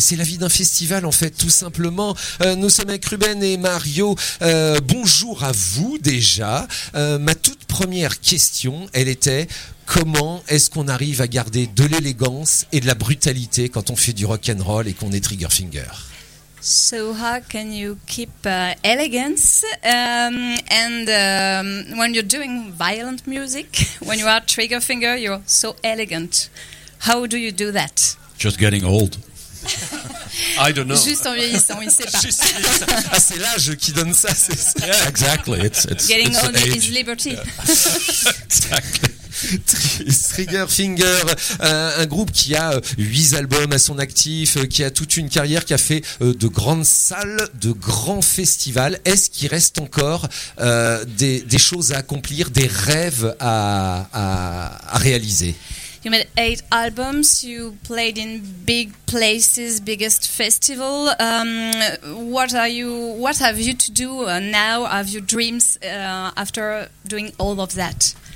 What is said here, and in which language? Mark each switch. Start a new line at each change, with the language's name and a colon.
French: C'est la vie d'un festival en fait, tout simplement. Nous sommes avec Ruben et Mario. Bonjour à vous déjà. Ma toute première question, elle était: comment est-ce qu'on arrive à garder de l'élégance et de la brutalité quand on fait du rock'n'roll et qu'on est Triggerfinger?
English: So how can you keep elegance and when you're doing violent music, when you are trigger finger, you're so elegant. How do you do that? Just getting old. I don't know.
French: Juste en vieillissant, il ne sait pas. Juste, ah, c'est l'âge qui donne ça, c'est ça.
English: Yeah, exactly. It's getting it's old age. Is liberty. Yeah. Exactly.
French: Trigger Finger, un groupe qui a 8 albums à son actif, qui a toute une carrière, qui a fait de grandes salles, de grands festivals. Est-ce qu'il reste encore des choses à accomplir, des rêves à réaliser?
English: You made 8 albums, you played in big places, biggest festival. What have you to do now? Have you dreams after doing all of that?